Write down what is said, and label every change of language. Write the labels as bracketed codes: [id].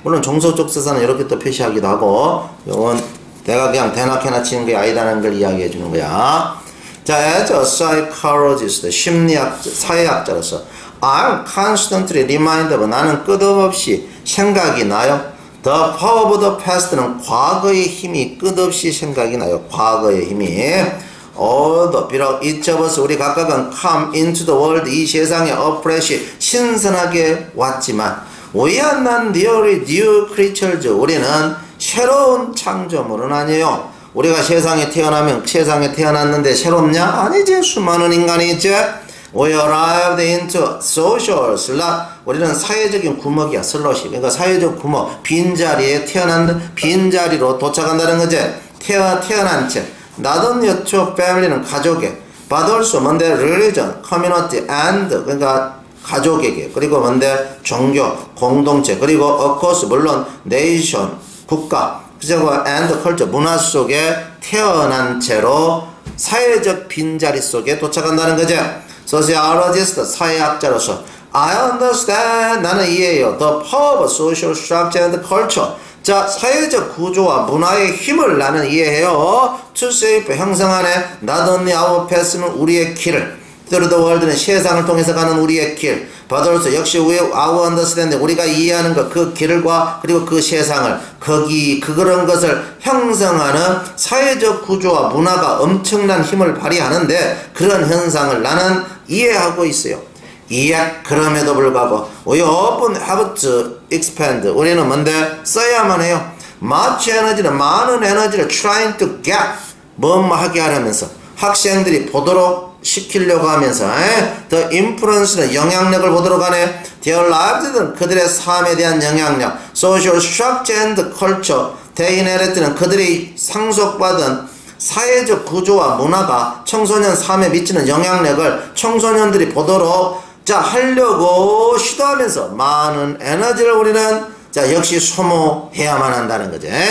[ko] 물론 종속접속사는 이렇게 또 표시하기도 하고, 이건 내가 그냥 대낮게나 치는 게 아니다라는 걸 이야기해 주는 거야. 자, [en] as a psychologist, [ko] 심리학, 사회학자로서, [en] I'm constantly reminded, [ko] 나는 끝없이 생각이 나요. [en] The power of the past [ko] 는 과거의 힘이 끝없이 생각이 나요. 과거의 힘이. [en] Although, 비록 each of us, 우리 각각은 come into the world, 이 세상에 afresh, 신선하게 왔지만, we are not really new creatures, [ko] 우리는 새로운 창조물은 아니에요. 우리가 세상에 태어나면 세상에 태어났는데 새롭냐? 아니지. 수많은 인간이 있지. [en] We arrived into social slot. [ko] 우리는 사회적인 구멍이야. 슬롯이. 그러니까 사회적 구멍. 빈자리에 태어난, 빈자리로 도착한다는 거지. 태어난 채. [en] Not only your family는 [ko] 가족에. [en] But also 뭔데? Religion, community, and. [ko] 그러니까 가족에게. 그리고 뭔데? 종교, 공동체. 그리고 [en] of course, [ko] 물론 nation, 국가. 그리고 and culture, 문화 속에 태어난 채로 사회적 빈자리 속에 도착한다는 거지. Sociologist, 사회학자로서 [en] I understand, [ko] 나는 이해해요. [en] The power of social structure and culture. [ko] 자, 사회적 구조와 문화의 힘을 나는 이해해요. [en] To shape, 형성하네. Not only our path는 [ko] 우리의 길을. [en] Through the world [ko] 는 세상을 통해서 가는 우리의 길. But also, 역시 [en] we understand, [ko] 우리가 이해하는 것, 그 길과 그리고 그 세상을, 거기 그런 것을 형성하는 사회적 구조와 문화가 엄청난 힘을 발휘하는데 그런 현상을 나는 이해하고 있어요. 이해. 그럼에도 불구하고 [en] we often have to expand. [ko] 우리는 뭔데? 써야만 해요. Much energy는 많은 에너지를 [en] trying to get [ko] 뭐뭐 하게 하면서 학생들이 보도록 시키려고 하면서 에? [en] The influence [ko] 는 영향력을 보도록 하네. [en] Their lives [ko] 는 그들의 삶에 대한 영향력. [en] Social structure and culture. They inherit [ko] 는 그들이 상속받은 사회적 구조와 문화가 청소년 삶에 미치는 영향력을 청소년들이 보도록 자 하려고 시도하면서 많은 에너지를 우리는 자 역시 소모해야만 한다는 거지.